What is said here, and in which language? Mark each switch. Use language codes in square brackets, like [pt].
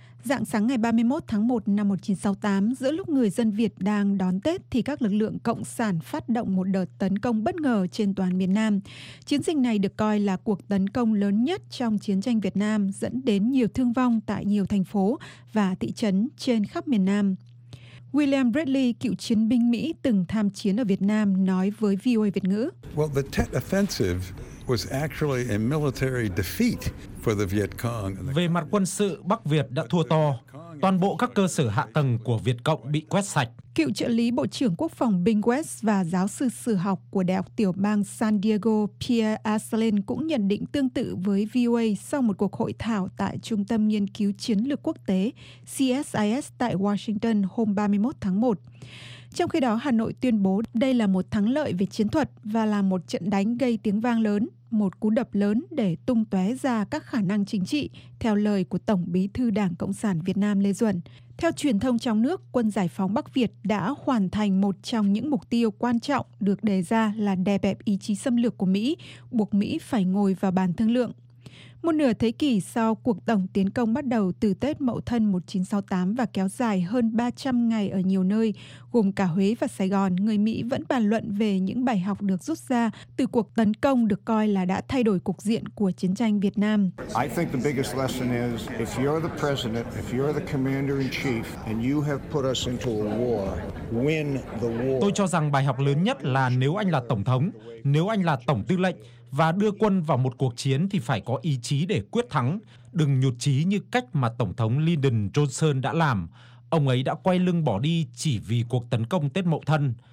[vi] Rạng sáng ngày 31 tháng 1 năm 1968, giữa lúc người dân Việt đang đón Tết thì các lực lượng Cộng sản phát động một đợt tấn công bất ngờ trên toàn miền Nam. Chiến dịch này được coi là cuộc tấn công lớn nhất trong chiến tranh Việt Nam, dẫn đến nhiều thương vong tại nhiều thành phố và thị trấn trên khắp miền Nam. William Bradley, cựu chiến binh Mỹ từng tham chiến ở Việt Nam, nói với VOA Việt ngữ. [en] Well, the Tet Offensive was actually a military defeat for the Viet Cong. [vi] Về mặt quân sự, Bắc Việt đã thua to. Toàn bộ các cơ sở hạ tầng của Việt Cộng bị quét sạch. Cựu trợ lý Bộ trưởng Quốc phòng Bing West và giáo sư sử học của Đại học Tiểu bang San Diego Pierre Asselin cũng nhận định tương tự với VOA sau một cuộc hội thảo tại Trung tâm Nghiên cứu Chiến lược Quốc tế CSIS tại Washington hôm 31 tháng 1. Trong khi đó, Hà Nội tuyên bố đây là một thắng lợi về chiến thuật và là một trận đánh gây tiếng vang lớn, một cú đập lớn để tung tóe ra các khả năng chính trị, theo lời của Tổng Bí thư Đảng Cộng sản Việt Nam Lê Duẩn. Theo truyền thông trong nước, quân giải phóng Bắc Việt đã hoàn thành một trong những mục tiêu quan trọng được đề ra là đè bẹp ý chí xâm lược của Mỹ, buộc Mỹ phải ngồi vào bàn thương lượng. Một nửa thế kỷ sau cuộc tổng tiến công bắt đầu từ Tết Mậu Thân 1968 và kéo dài hơn 300 ngày ở nhiều nơi, gồm cả Huế và Sài Gòn, người Mỹ vẫn bàn luận về những bài học được rút ra từ cuộc tấn công được coi là đã thay đổi cục diện của chiến tranh Việt Nam. [en] I think the biggest lesson is if you're the president, if you're the commander in chief and you have put us into a war, win the war. [vi] Tôi cho rằng bài học lớn nhất là nếu anh là tổng thống, nếu anh là tổng tư lệnh và đưa quân vào một cuộc chiến thì phải có ý chí để quyết thắng. Đừng nhụt chí như cách mà Tổng thống Lyndon Johnson đã làm. Ông ấy đã quay lưng bỏ đi chỉ vì cuộc tấn công Tết Mậu Thân.